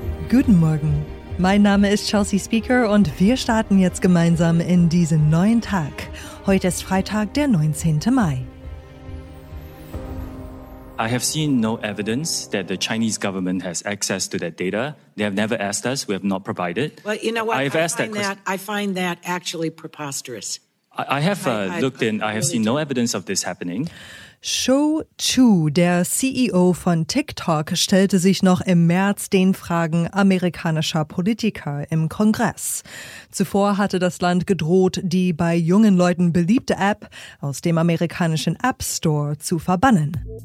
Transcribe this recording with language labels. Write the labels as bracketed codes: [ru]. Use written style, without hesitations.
[de] Guten Morgen, mein Name ist Chelsea Speaker und wir starten jetzt gemeinsam in diesen neuen Tag. Heute ist Freitag, der 19. Mai. [en] I have seen no evidence that the Chinese government has access to that data. They have never asked us. We have not provided. Well, you know what? I've asked that question. I find that actually preposterous. I have seen no evidence of this happening. [de] Shou Chu, der CEO von TikTok, stellte sich noch im März den Fragen amerikanischer Politiker im Kongress. Zuvor hatte das Land gedroht, die bei jungen Leuten beliebte App aus dem amerikanischen App Store zu verbannen.